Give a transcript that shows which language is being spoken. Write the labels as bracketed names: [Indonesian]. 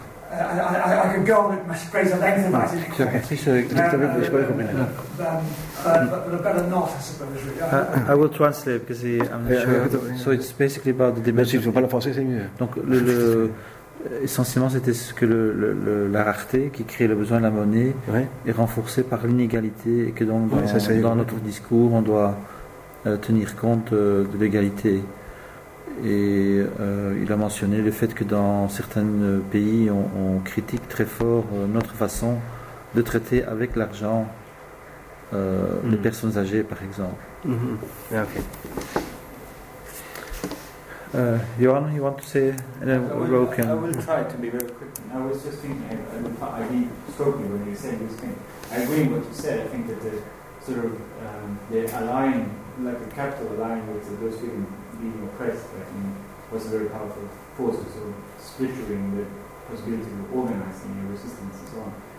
[English] I could go on at my phrase at length about but I better not, I suppose. I will translate because so it's basically about the dimension. [French] Pas le français, c'est mieux. Donc le essentiellement, c'était ce que la rareté qui crée le besoin de la monnaie est renforcée par l'inégalité, et que donc dans notre discours, on doit tenir compte de l'égalité. Et il a mentionné le fait que dans certains pays, on critique très fort notre façon de traiter avec l'argent les personnes âgées, par exemple. [English] Mm-hmm. Yeah, okay. Johan, you want to say, and then Roken. I will try to be very quick. I was just thinking, I mean, spoken when you said this thing. I agree with what you said. I think that the sort of the aligning, like the capital aligning with those people being oppressed, I think, was a very powerful force of sort of splintering the possibility of organizing your resistance and so on.